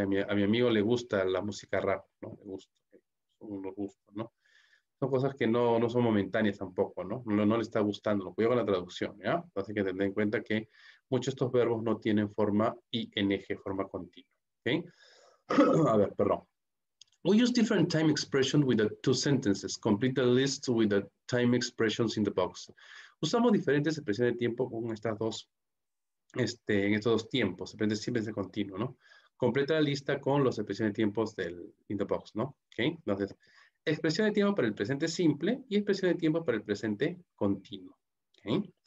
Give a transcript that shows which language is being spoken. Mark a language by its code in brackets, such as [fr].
[es] A mi amigo le gusta la música rap, ¿no? Le gusta, ¿okay? Son los gustos, ¿no? Son cosas que no son momentáneas tampoco, ¿no? No le está gustando. Cuidado con la traducción, ¿ya? Entonces hay que tener en cuenta que muchos de estos verbos no tienen forma ING, forma continua, ¿okay? A ver, perdón. [en] We use different time expressions with the two sentences. Complete the list with the time expressions in the box. [es] Usamos diferentes expresiones de tiempo con estas dos, en estos dos tiempos. Depende siempre de continuo, ¿no? Completa la lista con las expresiones de tiempo [en] in the box, [es] ¿no? ¿Okay? Entonces, expresión de tiempo para el presente simple y expresión de tiempo para el presente continuo. ¿Okay?